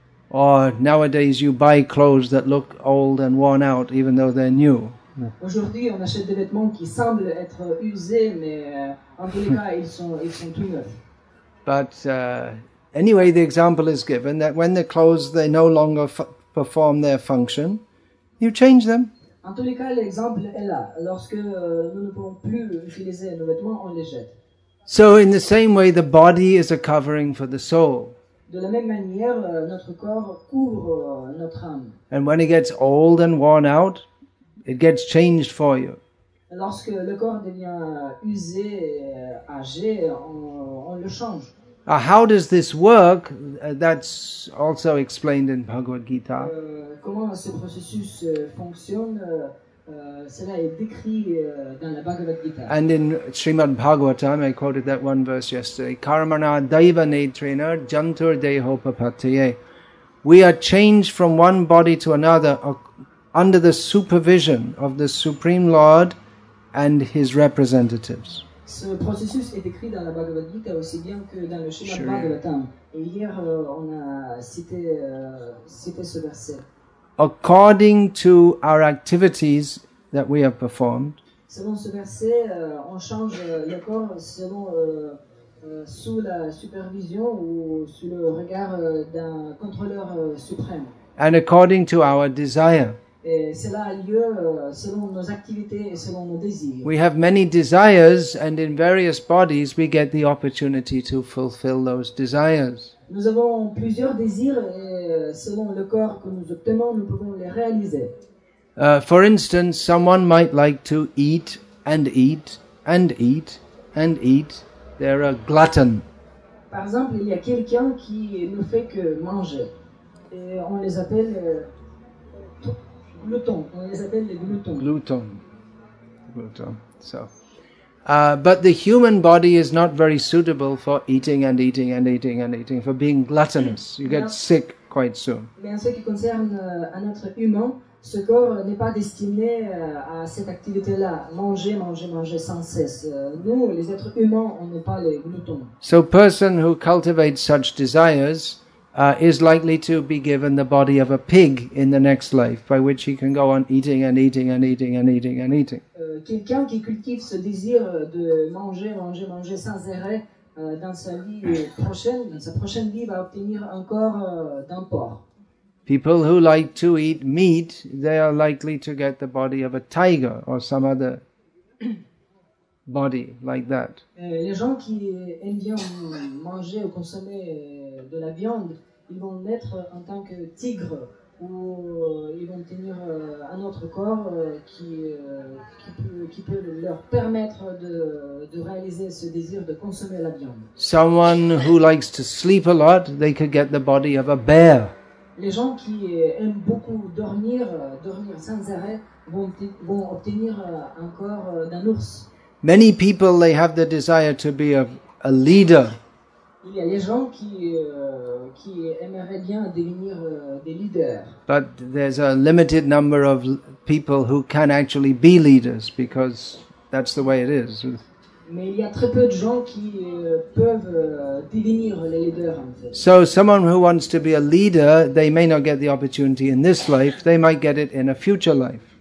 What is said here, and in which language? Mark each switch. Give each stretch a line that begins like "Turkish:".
English: Or nowadays you buy clothes that look old and worn out even though they're new.
French: Aujourd'hui on achète des vêtements qui semblent être usés mais en tous les cas ils sont tout neufs.
English: But anyway, the example is given that when the clothes they no longer perform their function, you change them.
French: En tous les cas l'exemple est là. Lorsque nous ne pouvons plus utiliser nos vêtements, on les jette.
English: So in the same way the body is a covering for the soul.
French: De la même manière, notre corps couvre notre âme.
English: And when it gets old and worn out, it gets changed for you.
French: Lorsque le corps devient usé, âgé, on le change.
English: How does this work? That's also explained in Bhagavad Gita.
French: Comment ce processus fonctionne? Cela est décrit dans la Bhagavad Gita.
English: And in Srimad Bhagavatam, I quoted that one verse yesterday,
Sanskrit: Karmana daiva netrena jantur deho papatye.
English: We are changed from one body to another under the supervision of the Supreme Lord and His representatives.
French: Ce processus est décrit dans la Bhagavad Gita aussi bien que dans le Srimad Bhagavatam. Et hier, on a cité ce verset.
English: According to our activities that we have performed.
French: Selon ce verset, on change le corps selon sous la supervision ou sous le regard d'un contrôleur suprême.
English: And according to our desire.
French: Et cela a lieu selon nos activités et selon nos désirs.
English: We have many desires, and in various bodies we get the opportunity to fulfill those desires.
French: Nous avons plusieurs désirs et selon le corps que nous obtenons, nous pouvons les réaliser.
English: For instance, someone might like to eat and eat and eat and eat. They're a glutton.
French: Par exemple, il y a quelqu'un qui ne fait que manger. Et on les appelle
English: Gluton. So, but the human body is not very suitable for eating and eating and eating and eating, for being gluttonous. You get sick quite soon.
French: Mais en ce qui concerne un être humain, ce corps n'est pas destiné à cette activité-là, manger sans cesse. Nous, les êtres humains, on n'est pas les gloutons.
English: So, a person who cultivates such desires is likely to be given the body of a pig in the next life, by which he can go on eating and eating and eating and eating and eating.
French: Quelqu'un qui cultive ce désir de manger sans arrêt dans sa vie prochaine, dans sa prochaine vie, va obtenir un corps d'un porc.
English: People who like to eat meat, they are likely to get the body of a tiger or some other body like that.
French: Les gens qui aiment bien manger ou consommer de la viande, ils vont naître en tant que tigre ou ils vont tenir un autre corps qui peut leur permettre de réaliser ce désir de consommer la viande.
English: Someone who likes to sleep a lot, they could get the body of a bear.
French: Les gens qui aiment beaucoup dormir sans arrêt vont obtenir un corps d'un ours.
English: Many people, they have the desire to be a leader.
French: Il y a des gens qui aimeraient bien devenir des leaders.
English: But there's a limited number of people who can actually be leaders, because that's the way it is.
French: Mais il y a très peu de gens qui peuvent devenir les leaders, en fait.
English: So someone who wants to be a leader, they may not get the opportunity in this life, they might get it in a future life.